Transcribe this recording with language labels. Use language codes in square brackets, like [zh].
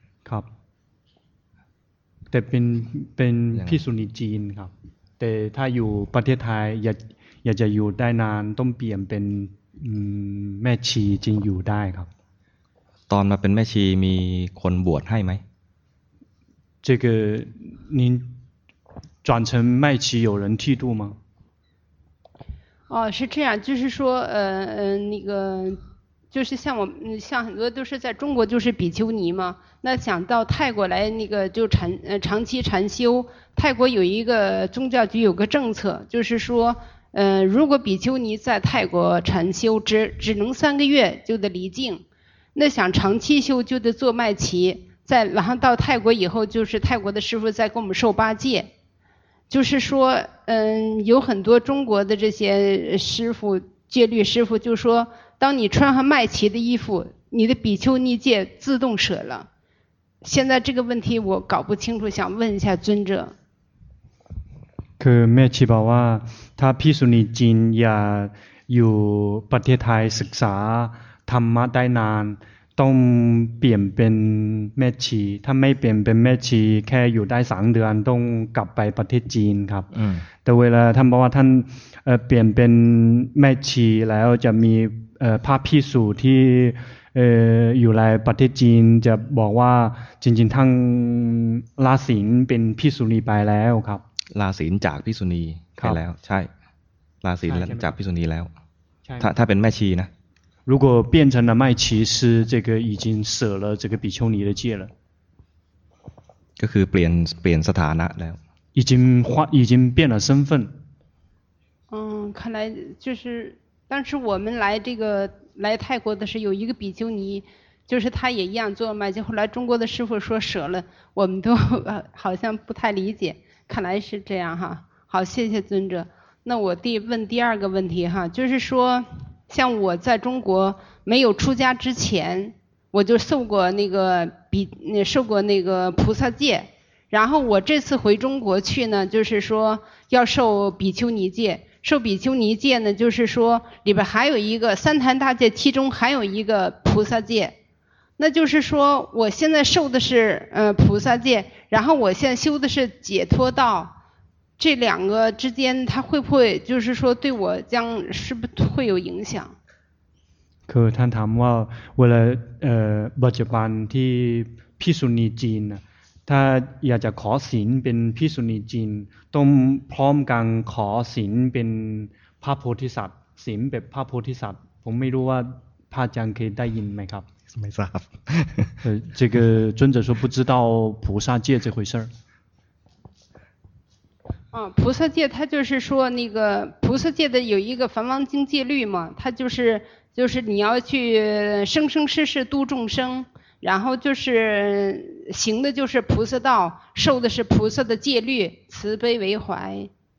[th] ครับแต่เป็นภิกษุณีจีนครับแต่ถ้าอยู่ประเทศไทยอยากจะอยู่ได้นานต้องเปลี่ยนเป็นแม่ชีจริงอยู่ได้ครับ ตอนมาเป็นแม่ชีมีคนบวชให้ไหม [zh] 这个您转成麦耆有人剃度吗哦是这样就是说那个就是像我像很多都是在中国就是比丘尼嘛那想到泰国来那个就长期禅修泰国有一个宗教局有个政策就是说如果比丘尼在泰国禅修只能三个月就得离境那想长期修就得做麦耆在然后到泰国以后就是泰国的师父在给我们受八戒就是说有很多中国的这些师父戒律师父就说当你穿上麦耆的衣服你的比丘尼戒自动舍了现在这个问题我搞不清楚想问一下尊者 [th] คือแม่ชีบอกว่าถ้าภิกษุณีจีนอยากอยู่ประเทศไทยศึกษาธรรมะได้นานต้องเปลี่ยนเป็นแม่ชีถ้าไม่เปลี่ยนเป็นแม่ชีแค่อยู่ได้3เดือนต้องกลับไปประเทศจีนครับแต่เวลาท่านบอกว่าท่านเปลี่ยนเป็นแม่ชีแล้วจะมีพระภิกษุที่อยู่ในประเทศจีนจะบอกว่าจริงๆท่านลาศีลเป็นภิกษุณีไปแล้วครับ ลาศีลจากภิกษุณีไปแล้วใช่ลาศีลจากภิกษุณีแล้วถ้าเป็นแม่ชีนะ [zh] 如果变成了麦耆师这个已经舍了这个比丘尼的戒了 [th] ก็คือเปลี่ยนสถานะแล้ว [zh] 已经变了身份看来就是当时我们来这个来泰国的时候有一个比丘尼就是他也一样做麦耆后来中国的师父说舍了我们都好像不太理解看来是这样哈好谢谢尊者那我问第二个问题哈就是说像我在中国没有出家之前我就受过那个菩萨戒然后我这次回中国去呢就是说要受比丘尼戒受比丘尼戒呢就是说里边还有一个三坛大戒其中还有一个菩萨戒那就是说我现在受的是菩萨戒然后我现在修的是解脱道这两个之间它会不会就是说对我将是不是会有影响 [th] คือท่านถามว่าเวลาปัจจุบันที่ภิกษุณีจีนถ้าอยากจะขอศีลเป็นภิกษุณีจีนต้องพร้อมกันขอศีลเป็นพระโพธิสัตว์ศีลแบบพระโพธิสัตว์ผมไม่รู้ว่าพระอาจารย์เคยได้ยินไหมครับ ไม่ทราบ [zh] 这个尊者说不知道菩萨戒这回事儿菩萨戒他就是说那个菩萨戒的有一个梵王经戒律嘛他就是你要去生生世世度众生然后就是行的就是菩萨道受的是菩萨的戒律慈悲为怀